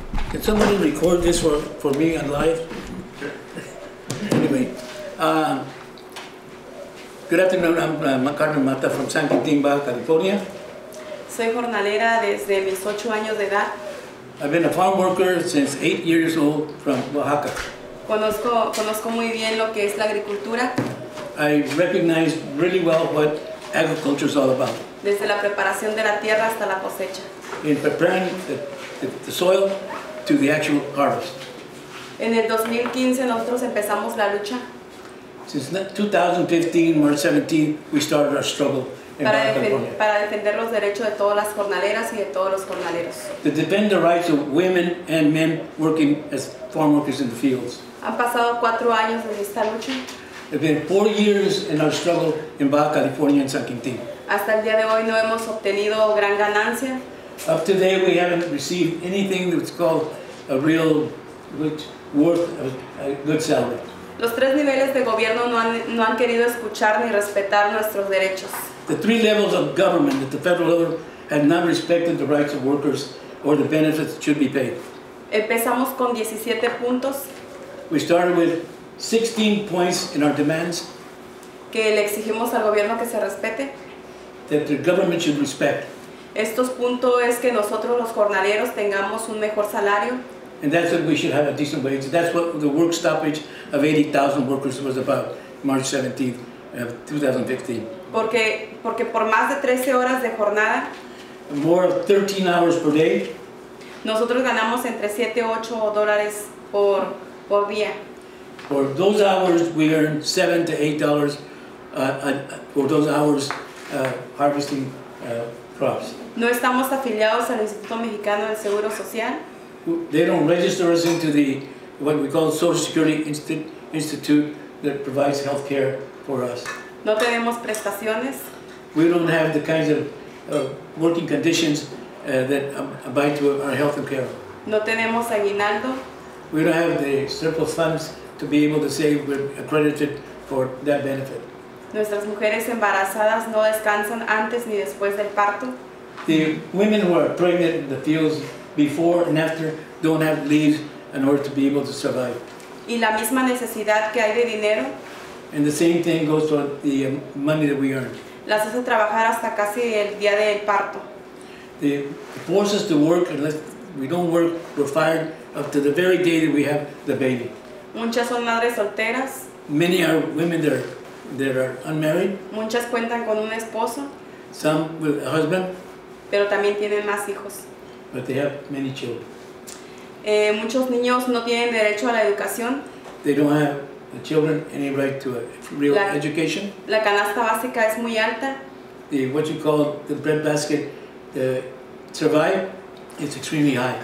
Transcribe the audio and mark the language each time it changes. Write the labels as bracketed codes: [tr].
[en] Can somebody record this for me on live? Sure. Anyway, good afternoon, I'm Carmen Mata from San Quintín, Baja California. [es] Soy jornalera desde mis 8 años de edad. [en] I've been a farm worker since 8 years old from Oaxaca. [es] Conozco muy bien lo que es la agricultura. [en] I recognize really well what agriculture is all about. [es] Desde la preparación de la tierra hasta la cosecha. [en] In preparing the soil to the actual harvest. [es] En el 2015 nosotros empezamos la lucha. [en] Since 2015, March 17, we started our struggle in Baja California. [es] Para defender los derechos de todas las jornaleras y de todos los jornaleros. [en] To defend the rights of women and men working as farm workers in the fields. [es] Han pasado 4 años de esta lucha. [en] It's been 4 years in our struggle in Baja California and San Quintín. [es] Hasta el día de hoy no hemos obtenido gran ganancia. [en] Up to today, we haven't received anything that's called a real, which worth a good salary. [es] Los tres niveles de gobierno no han querido escuchar ni respetar nuestros derechos. [en] The three levels of government at the federal level have not respected the rights of workers or the benefits that should be paid. [es] Empezamos con 17 puntos. [en] We started with 16 points in our demands. [es] Que le exigimos al gobierno que se respete. [en] That the government should respect. [es] Estos puntos es que nosotros los jornaleros tengamos un mejor salario. [en] And that's what we should have, a decent wage. That's what the work stoppage of 80,000 workers was about, March 17th, 2015. [es] Porque por más de 13 horas de jornada. [en] More of 13 hours per day. [es] Nosotros ganamos entre 7 y 8 dólares por día. [en] For those hours, we earn $7 to $8 for those hours harvesting crops. [es] No estamos afiliados al Instituto Mexicano del Seguro Social. [en] They don't register us into the what we call Social Security Institute that provides health care for us. [es] No tenemos prestaciones. [en] We don't have the kinds of working conditions that abide to our health and care. [es] No tenemos aguinaldo. [en] We don't have the surplus funds to be able to say we're accredited for that benefit. [es] Nuestras mujeres embarazadas no descansan antes ni después del parto. [en] The women who are pregnant in the fields before and after don't have leave in order to be able to survive. [es] Y la misma necesidad que hay de dinero. [en] And the same thing goes to the money that we earn. [es] Las hace trabajar hasta casi el día del parto. [en] They force us to work unless we don't work, we're fired up to the very day that we have the baby. [es] Muchas son madres solteras. [en] Many are women that are unmarried. [es] Muchas cuentan con un esposo. [en] Some with a husband. [es] Pero también tienen más hijos. [en] But they have many children. [es] Muchos niños no tienen derecho a la educación. [en] They don't have the children any right to a real education. [es] La canasta básica es muy alta. [en] The, what you call the bread basket, the survive, is extremely high.